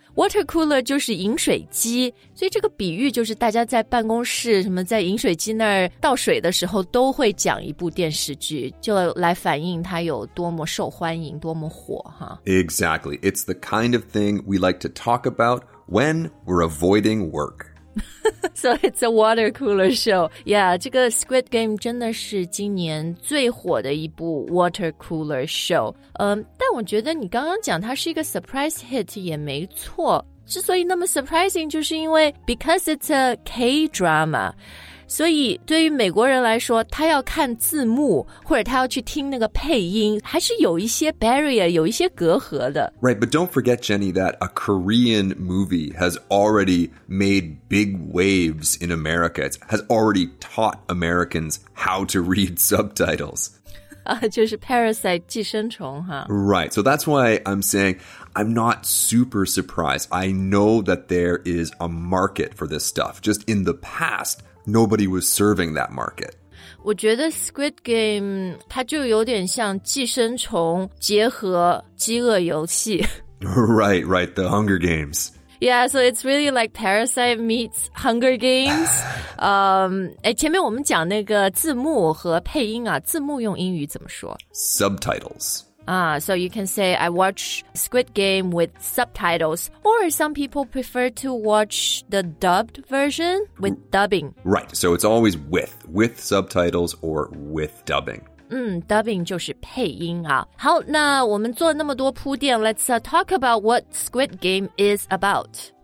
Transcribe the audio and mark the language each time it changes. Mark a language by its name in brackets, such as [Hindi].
[Chinese] Water cooler 就是饮水机，所以这个比喻就是大家在办公室什么在饮水机那儿倒水的时候都会讲一部电视剧，就来反映它有多么受欢迎，多么火哈。 [English] Exactly, it's the kind of thing we like to talk about when we're avoiding work. So it's a water cooler show. Yeah, [Chinese] 这个 Squid Game 真的是今年最火的一部 [English] water cooler show. [Chinese] 但我觉得你刚刚讲它是一个 surprise hit 也没错。之所以那么 surprising 就是因为 [English] because it's a K-drama. [Chinese] 所以对于美国人来说他要看字幕或者他要去听那个配音还是有一些 barrier, 有一些隔阂的。 [English] Right, but don't forget, Jenny, that a Korean movie has already made big waves in America. It has already taught Americans how to read subtitles. [Chinese] 就是 Parasite, 寄生虫哈。 [English] Right, so that's why I'm saying I'm not super surprised. I know that there is a market for this stuff. Just in the past,Nobody was serving that market. [Chinese] 我觉得 Squid Game 它就有点像寄生虫结合饥饿游戏。 [English] Right, right, the Hunger Games. Yeah, so it's really like Parasite meets Hunger Games. [Chinese] 前面我们讲那个字幕和配音啊，字幕用英语怎么说？ [English] Subtitles. So you can say I watch Squid Game with subtitles, or some people prefer to watch the dubbed version with dubbing. Right, so it's always with subtititles or with dubbing. [Chinese] Dubbing 就是配音啊。好，那我们做那么多铺垫 [English] let's talk about what Squid Game is about.